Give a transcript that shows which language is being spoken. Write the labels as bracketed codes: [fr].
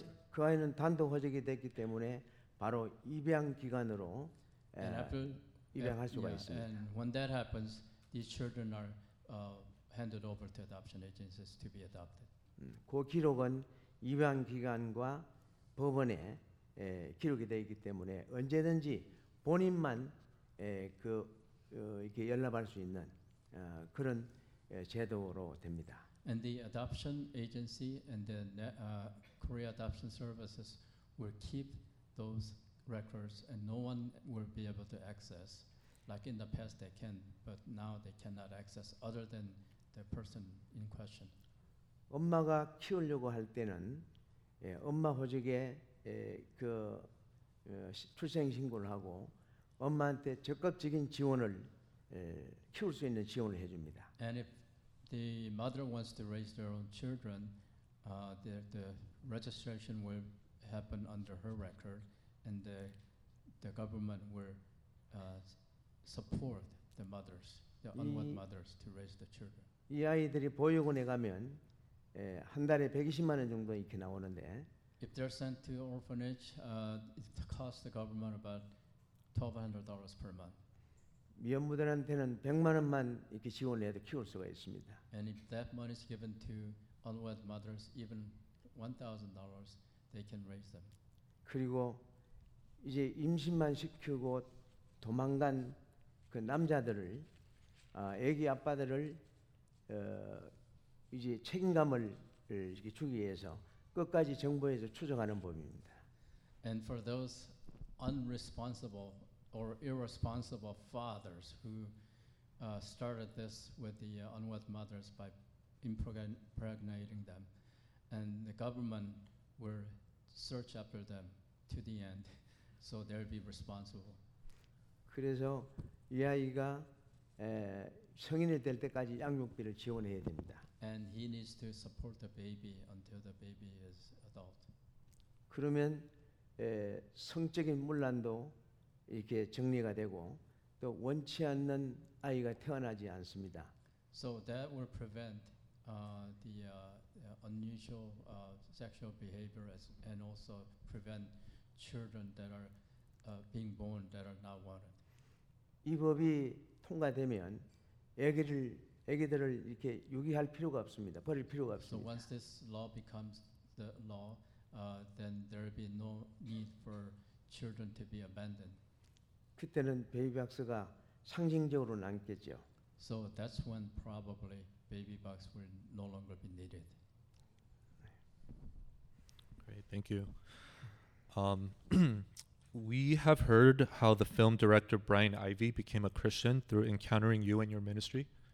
[ko] 그 아이는 단독 호적이 됐기 때문에 바로 입양 기관으로. [en] And after, and when that happens, these children are handed over to adoption agencies to be adopted. [ko] 그 기록은 입양 기관과 법원에 기록이 되어 있기 때문에 언제든지 본인만 그 이렇게 연락할 수 있는 그런 제도로 됩니다. [en] And the adoption agency and the Korea Adoption Services will keep those. Records and no one will be able to access, like in the past they can, but now they cannot access other than the person in question. [ko] 엄마가 키우려고 할 때는 엄마 호적에 그 출생 신고를 하고 엄마한테 적극적인 지원을 키울 수 있는 지원을 해줍니다. [en] And if the mother wants to raise their own children, the registration will happen under her record. And the government will support the mothers, the unwed mothers, to raise the children. [ko] 이 아이들이 보육원에 가면 한 달에 120만 원 정도 이렇게 나오는데. [en] If they're sent to orphanage, it costs the government about $1,200 per month. [ko] 미혼모들한테는 100만 원만 이렇게 지원을 해도 키울 수가 있습니다. [en] And if that money is given to unwed mothers, even $1,000, they can raise them. [ko] 그리고 이제 임신만 시키고 도망간 그 남자들을 아기 아빠들을 이제 책임감을 이렇게 주기 위해서 끝까지 정부에서 추적하는 법입니다. [en] And for those unresponsible or irresponsible fathers who started this with the unwed mothers by impregnating them, and the government will search after them to the end, so they'll be responsible. [ko] 그래서 이 아이가 성인이 될 때까지 양육비를 지원해야 됩니다. [en] And he needs to support the baby until the baby is adult. [ko] 그러면 성적인 문란도 이렇게 정리가 되고 또 원치 않는 아이가 태어나지 않습니다. [en] So that will prevent the unusual sexual behavior and also prevent children that are being born that are not wanted. [ko] 이 법이 통과되면 아기들을 이렇게 유기할 필요가 없습니다. 버릴 필요가 없습니다. [en] So once this law becomes the law, then there will be no need for children to be abandoned. [ko] 그때는 베이비 박스가 상징적으로 남겠죠. [en] So that's when probably baby box will no longer be needed. Great, thank you. We have heard how the film director Brian Ivey became a Christian through encountering you and your ministry.